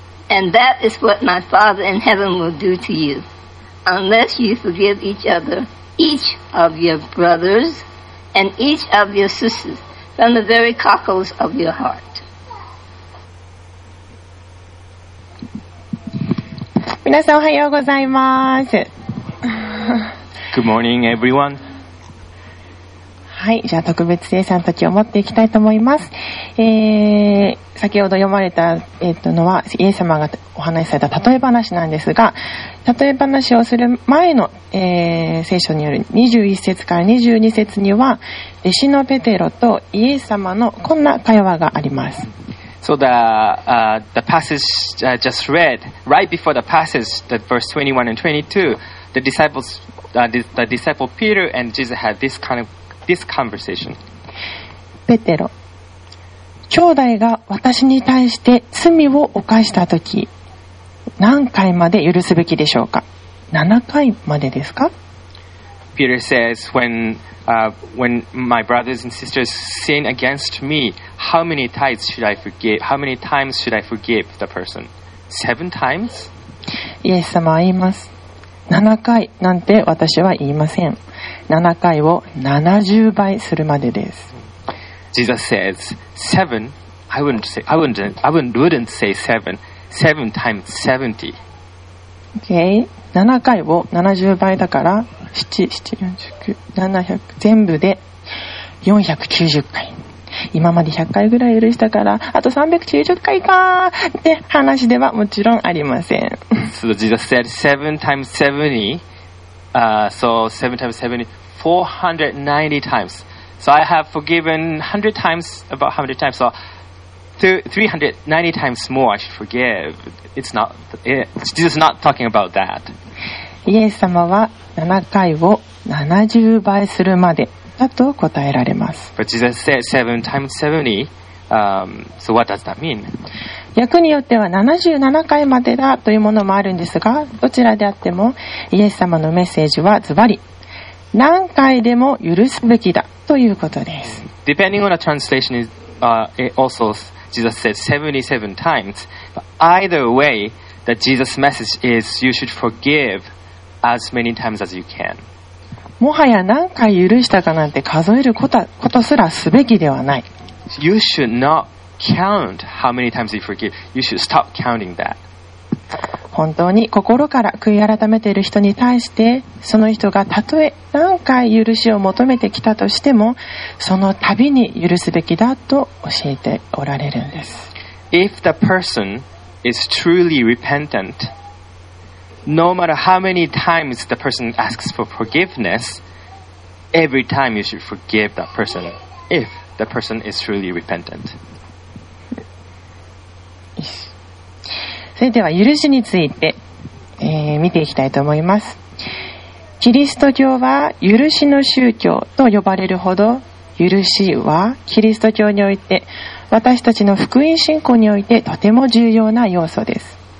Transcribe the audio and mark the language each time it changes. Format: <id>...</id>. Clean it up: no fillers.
<en>And that is what my Father in heaven will do to you, unless you forgive each other, each of your brothers, and each of your sisters, from the very cockles of your heart.</en> <ja>皆さんおはようございます。</ja> <en>Good morning, everyone.</en> <ja>はい、じゃあ特別生産たちを持っていきたいと思います。先ほど読まれた、のはイエス様がお話しされた例え話なんですが、例え話をする前の、聖書による21節から22節には、弟子のペテロとイエス様のこんな会話があります。</ja> <en>So the passage just read, right before the passage, the verse 21 and 22, the disciples, the disciple Peter and Jesus had this kind of this conversation.</en> <ja>ペテロ、兄弟が私に対して罪を犯したとき、何回まで許すべきでしょうか？7回までですか</ja> <en>？Peter says, when my brothers and sisters sin against me, how many times should I forgive the person? 7 times?</en> <ja>イエス様は言います。 7回なんて私は言いません。 7回を70倍するまでです。</ja> <en>Jesus says, I wouldn't say 7. 7 times 70. Okay.</en> <ja>7回を70倍だから7、7、49、700全部で490回、今まで100回ぐらい許したからあと390回かって話ではもちろんありません。</ja> <en>So Jesus said 7 times 70 so 7 times 70 490 times. So I have forgiven 100 times, about 100 times, so 390 times more I should forgive. Jesus is not talking about that.</en> <ja>イエス様は7回を70倍するまでだと答えられます。</ja> <en>But Jesus said 7 times 70, so what does that mean?</en> <ja>訳によっては77回までだというものもあるんですが、どちらであってもイエス様のメッセージはズバリ何回でも許すべきだということです。</ja> <en>Depending on the translation, also Jesus said 77 times. But either way, that Jesus' message is you should forgive as many times as you can.</en> <ja>もはや何回許したかなんて数えることすらすべきではない。</ja> <en>You should not count how many times you forgive. You should stop counting that.</en> <ja>本当に心から悔い改めている人に対して、その人がたとえ何回許しを求めてきたとしても、その度に許すべきだと教えておられるんです。</ja> <en>If the person is truly repentant, no matter how many times the person asks for forgiveness, every time you should forgive that person, if the person is truly repentant.</en> <ja>それでは許しについて、見ていきたいと思います。キリスト教は許しの宗教と呼ばれるほど、許しはキリスト教において私たちの福音信仰においてとても重要な要素です。</ja>